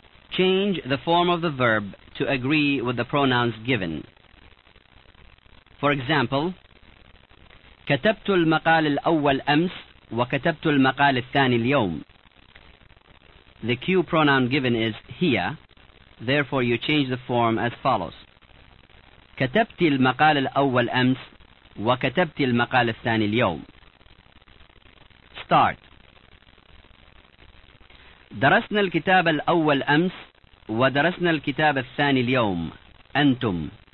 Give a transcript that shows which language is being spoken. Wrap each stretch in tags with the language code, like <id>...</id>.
<en>Change the form of the verb to agree with the pronouns given. For example,</en> <ar>كتبت المقال الأول أمس وكتبت المقال الثاني اليوم.</ar> <en>The cue pronoun given is هي. Therefore, you change the form as follows.</en> <ar>كتبت المقال الأول أمس وكتبت المقال الثاني اليوم.</ar> <en>Start.</en> <ar>درسنا الكتاب الأول أمس ودرسنا الكتاب الثاني اليوم. أنتم.</ar>